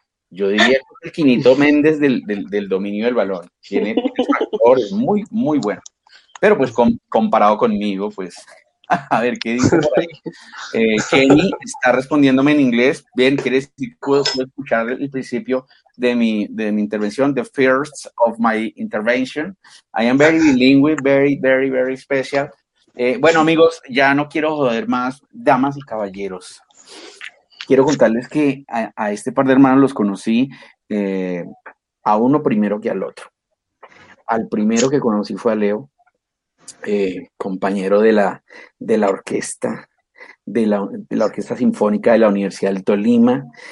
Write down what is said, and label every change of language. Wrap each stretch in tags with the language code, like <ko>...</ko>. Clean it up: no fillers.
<es>Yo diría que es el Quinito Méndez del dominio del balón. Tiene factores muy, muy buenos. Pero pues comparado conmigo, pues, a ver qué dice por ahí. Kenny está respondiéndome en inglés. Bien, ¿quieres escuchar el principio de mi intervención?</es> <en>The first of my intervention. I am very bilingüe, very, very, very special.</en> <es>Bueno, amigos, ya no quiero joder más, damas y caballeros. Quiero contarles que a este par de hermanos los conocí a uno primero que al otro. Al primero que conocí fue a Leo, compañero de la orquesta, de la Orquesta Sinfónica de la Universidad del Tolima.</es>